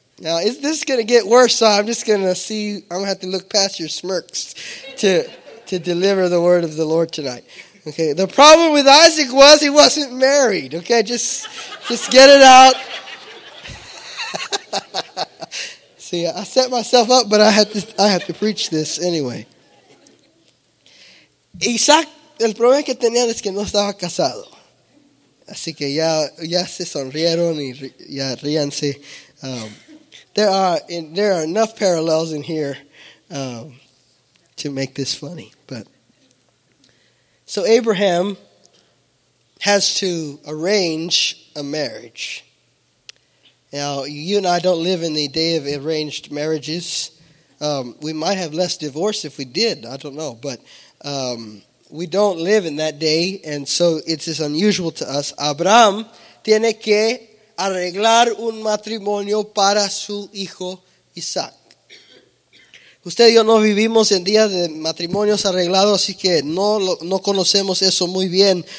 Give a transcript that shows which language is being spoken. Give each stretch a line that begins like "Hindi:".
English: Now, is this going to get worse? So I'm just going to see. I'm going to have to look past your smirks to deliver the word of the Lord tonight. Okay. The problem with Isaac was he wasn't married. Okay. Just get it out. See, I set myself up, but I have to preach this anyway.
Spanish: Isaac, el problema que tenía es que no estaba casado. Así que ya se sonrieron y ya ríanse.
English: There are enough parallels in here to make this funny. But so Abraham has to arrange a marriage. Now, you and I don't live in the day of arranged marriages. We might have less divorce if we did. I don't know. But we don't live in that day, and so it's just unusual to us.
Spanish: Abraham tiene que arreglar un matrimonio para su hijo Isaac. Usted y yo no vivimos en día de matrimonios arreglados, así que no conocemos eso muy bien.